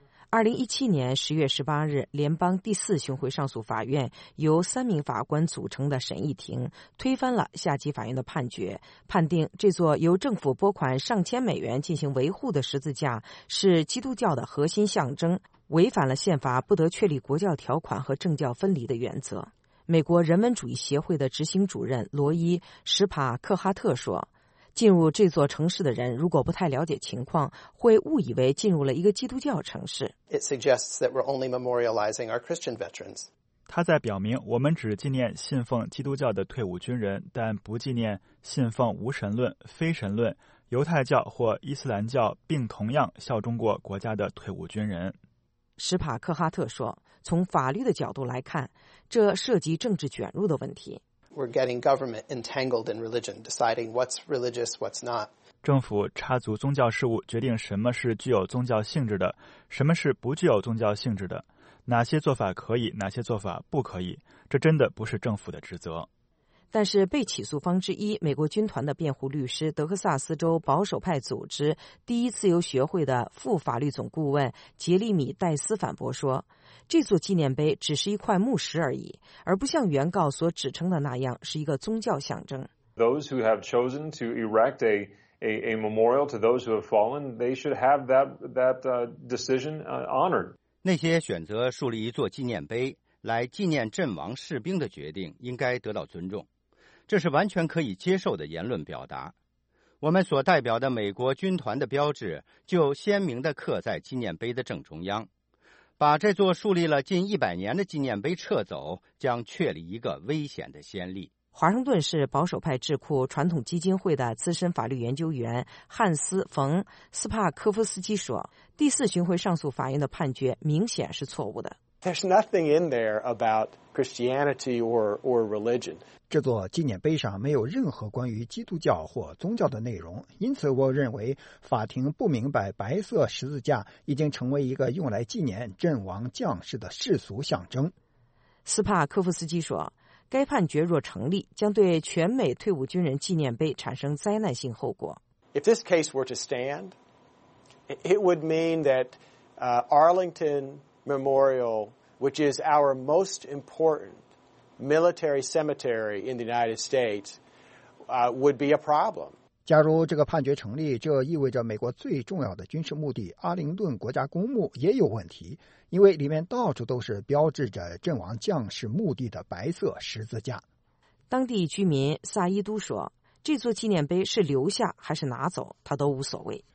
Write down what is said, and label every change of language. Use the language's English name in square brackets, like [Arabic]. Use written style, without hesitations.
[Chinese] 2017年10月18日联邦第四巡回上诉法院由三名法官组成的审议庭推翻了下级法院的判决，判定这座由政府拨款上千美元进行维护的十字架是基督教的核心象征，违反了宪法不得确立国教条款和政教分离的原则。美国人文主义协会的执行主任罗伊·史帕克哈特说，进入这座城市的人如果不太了解情况，会误以为进入了一个基督教城市。 [English] It suggests that we're only memorializing our Christian veterans. [Chinese] 他在表明我们只纪念信奉基督教的退伍军人，但不纪念信奉无神论、非神论、犹太教或伊斯兰教并同样效忠过国家的退伍军人。史帕克哈特说，从法律的角度来看，这涉及政治卷入的问题。 [English] We're getting government entangled in religion, deciding what's religious, what's not. [Chinese] 政府插足宗教事务，决定什么是具有宗教性质的，什么是不具有宗教性质的，哪些做法可以，哪些做法不可以，这真的不是政府的职责。但是被起诉方之一美国军团的辩护律师德克萨斯州保守派组织第一自由学会的副法律总顾问杰利米·戴斯反驳说，这座纪念碑只是一块墓石而已，而不像原告所指称的那样是一个宗教象征。 [English] Those who have chosen to erect a memorial to those who have fallen, they should have that decision honored. [Chinese] 那些选择树立一座纪念碑来纪念阵亡士兵的决定应该得到尊重，这是完全可以接受的言论表达。我们所代表的美国军团的标志就鲜明地刻在纪念碑的正中央，把这座树立了近100年的纪念碑撤走将确立一个危险的先例。华盛顿市保守派智库传统基金会的资深法律研究员汉斯·冯·斯帕科夫斯基说，第四巡回上诉法院的判决明显是错误的。 [English] There's nothing in there about Christianity or religion. [Chinese] 这座纪念碑上没有任何关于基督教或宗教的内容，因此我认为法庭不明白白色十字架已经成为一个用来纪念阵亡将士的世俗象征。斯帕科夫斯基说，该判决若成立，将对全美退伍军人纪念碑产生灾难性后果。 [English] If this case were to stand, it would mean that Arlington Memorial, which is our most important military cemetery in the United States, would be a problem. [Chinese] 假如这个判决成立，这意味着美国最重要的军事墓地阿灵顿国家公墓也有问题，因为里面到处都是标志着阵亡将士墓地的白色十字架。当地居民萨伊都说，这座纪念碑是留下还是拿走，他都无所谓。